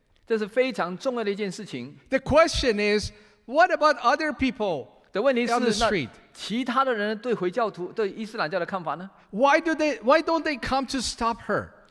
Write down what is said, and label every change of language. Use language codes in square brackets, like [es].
[en] The question is, what about other people? The [zh] 问题是, [en] on the street. [zh] 其他的人对回教徒, 对伊斯兰教的看法呢? [en] Why don't they come to stop her?